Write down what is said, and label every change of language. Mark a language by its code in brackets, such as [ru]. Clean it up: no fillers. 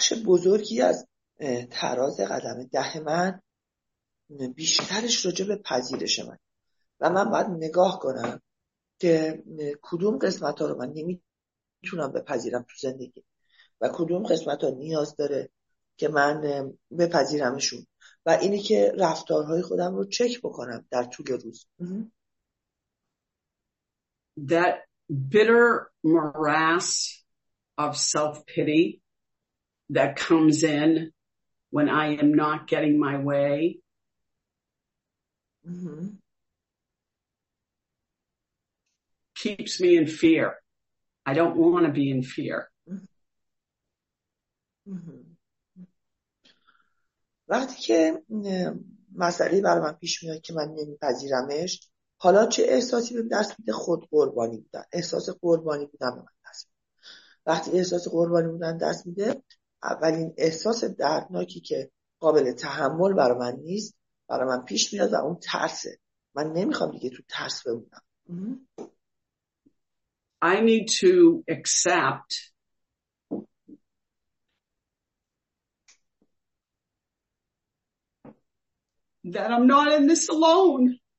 [fa] بخش بزرگی از تراز قدم ده من بیشترش راجع به پذیرش من و من باید نگاه کنم که کدوم قسمت ها رو من نمیتونم بپذیرم تو زندگی و کدوم قسمت ها نیاز داره که من بپذیرمشون و اینی که رفتارهای خودم رو چک بکنم در طول روز. [en] That bitter morass of self-pity that comes in when I am not getting my way. Keeps me in fear. I don't want to be in fear. [fa] وقتی که مسئله برای من پیش میاد که من نمیپذیرمش، حالا چه احساسی بهم دست میده؟ خود قربانی بودن. احساس قربانی بودن به من دست میده. وقتی احساس قربانی بودن دست میده، اولین احساس دردناکی که قابل تحمل برای من نیست، برای من پیش میاد و اون ترسه. من نمیخوام دیگه تو ترس بمونم. [en] I need to accept that I'm not in this alone.